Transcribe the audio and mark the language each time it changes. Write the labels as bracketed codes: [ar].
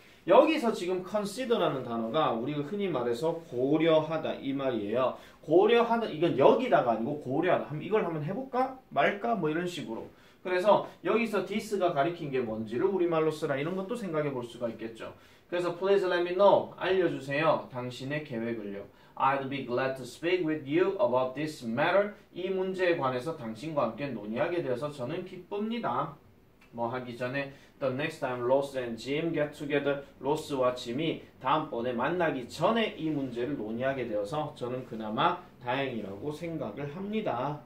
[ko] 여기서 지금 consider라는 단어가 우리가 흔히 말해서 고려하다 이 말이에요. 고려하다, 이건 여기다가 아니고 고려하다. 이걸 한번 해볼까? 말까? 뭐 이런 식으로. 그래서 여기서 this가 가리킨 게 뭔지를 우리말로 쓰라 이런 것도 생각해 볼 수가 있겠죠. 그래서 [en] please let me know, [ko] 알려주세요. 당신의 계획을요. [en] I'd be glad to speak with you about this matter. [ko] 이 문제에 관해서 당신과 함께 논의하게 되어서 저는 기쁩니다. 뭐 하기 전에 [en] the next time Ross and Jim get together, [ko] Ross와 Jim이 다음번에 만나기 전에 이 문제를 논의하게 되어서 저는 그나마 다행이라고 생각을 합니다.